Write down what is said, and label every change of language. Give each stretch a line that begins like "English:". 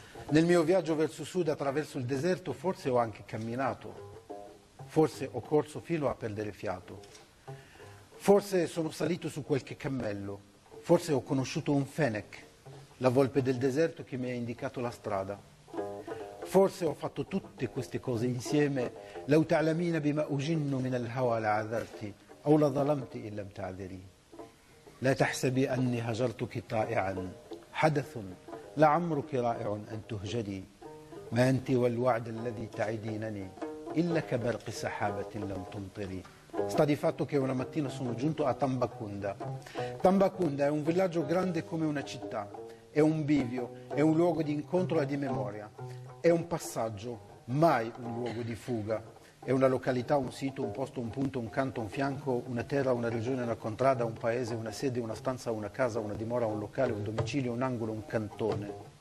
Italian: Nel mio viaggio verso sud attraverso il deserto forse ho anche camminato, forse ho corso fino a perdere fiato, forse sono salito su qualche cammello, forse ho conosciuto un fennec, la volpe del deserto che mi ha indicato la strada. Forse ho fatto tutte queste cose insieme.
Arabic: لو تعلمين بما أجن من الهوى لعذرت أو لظلمت إن لم تعذري لا تحسبي أني هجرتك طائعا حدث لعمرك رائع أن تهجدي ما أنت والوعد الذي تعدينني إلا كبرق سحابة لم تمطري.
Italian: Sta di fatto che una mattina sono giunto a Tambacounda. Tambacounda è un villaggio grande come una città. È un bivio, è un luogo di incontro e di memoria. È un passaggio, mai un luogo di fuga. È una località, un sito, un posto, un punto, un canto, un fianco, una terra, una regione, una contrada, un paese, una sede, una stanza, una casa, una dimora, un locale, un domicilio, un angolo, un cantone.